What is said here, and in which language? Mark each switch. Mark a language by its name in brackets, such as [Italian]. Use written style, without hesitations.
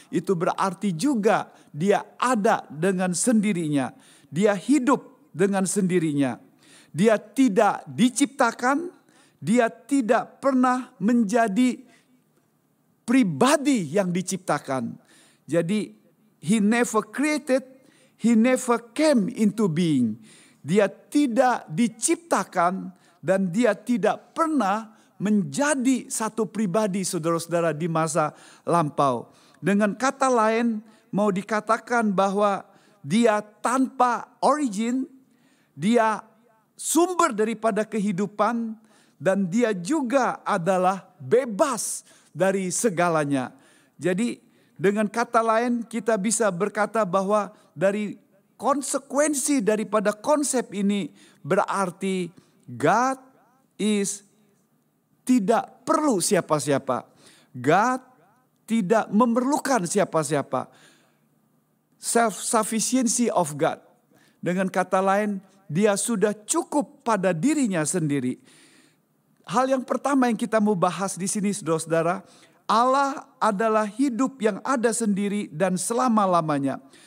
[Indonesian] Itu berarti juga dia ada dengan sendirinya. Dia hidup dengan sendirinya. Dia tidak diciptakan. Dia tidak pernah menjadi pribadi yang diciptakan. Jadi [English] he never created, he never came into being. [Indonesian] Dia tidak diciptakan dan dia tidak pernah menjadi satu pribadi, saudara-saudara, di masa lampau. Dengan kata lain, mau dikatakan bahwa dia tanpa origin, dia sumber daripada kehidupan, dan dia juga adalah bebas dari segalanya. Jadi dengan kata lain kita bisa berkata bahwa dari konsekuensi daripada konsep ini berarti [English] God is [Indonesian] tidak perlu siapa-siapa. God tidak memerlukan siapa-siapa. [English] Self-sufficiency of God. [Indonesian] Dengan kata lain, dia sudah cukup pada dirinya sendiri. Hal yang pertama yang kita mau bahas di sini, saudara-saudara, Allah adalah hidup yang ada sendiri dan selama-lamanya.